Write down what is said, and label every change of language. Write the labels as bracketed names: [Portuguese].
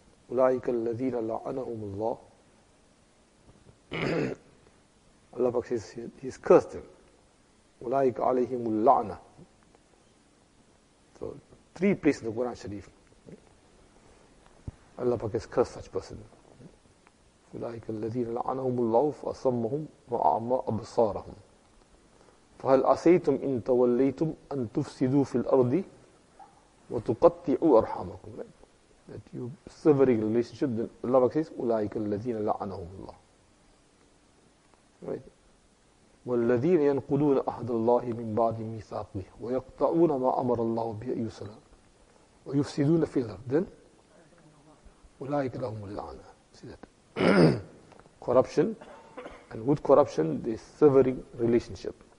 [Arabic] أُولَٰئِكَ الَّذِينَ لَعَنَهُمُ اللَّهُ [English] Allah says he's cursed them. [Arabic] أُولَٰئِكَ عَلَيْهِمُ اللَّعْنَةُ [English] So, three places in the Quran Sharif. Allah Pak has cursed such person. [Arabic] أُولَٰئِكَ الَّذِينَ لَعَنَهُمُ اللَّهُ فَأَصَمَّهُمْ وَأَعْمَى أَبْصَارَهُمْ فَهَلْ أَسَيْتُمْ إِن تَوَلَّيْتُمْ أَن تُفْسِدُوا فِي الْأَرْضِ وَتُقَطِّعُوا أَرْحَمَكُمْ [English] That you severing the relationship, then Allah Pak says, [Arabic] أُولَٰئِكَ الَّذِينَ لَعَنَهُمُ اللَّهُ Right. والذين ينقضون عهد الله من بعد ميثاقه ويقطعون ما امر الله به ان يصل ويفسدون في الارض اولئك لهم اللعنه [English] corruption, and with corruption this severing relationship.